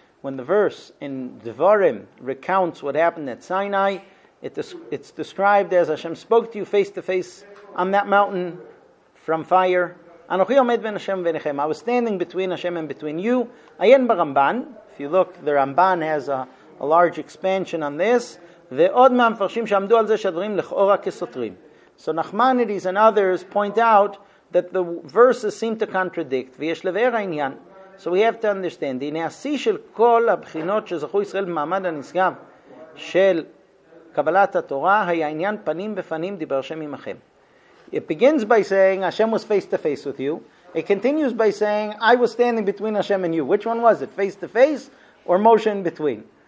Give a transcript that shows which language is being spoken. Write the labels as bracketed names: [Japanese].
[English] When the verse in Devarim recounts what happened at Sinai, it's described as Hashem spoke to you face to face on that mountain from fire. [Hebrew] Anochi Omed Ben Hashem Venichem. [English] I was standing between Hashem and between you. [Hebrew] Ayen Baramban. [English] If you look, the Ramban has a large expansion on this. [Hebrew] ועוד מהמפרשים שעמדו על זה שדברים לכאורה כסותרים. [English] So Nachmanides and others point out that the verses seem to contradict, [Hebrew] ויש לבאר העניין. [English] So we have to understand, [Hebrew] הנה השיא של כל הבחינות שזכו ישראל במעמד הנשגב של קבלת התורה, היה עניין פנים בפנים דיבר השם עמכם. [English] It begins by saying, Hashem was face to face with you. It continues by saying, I was standing between Hashem and you. Which one was it, face to face or Moshe in between?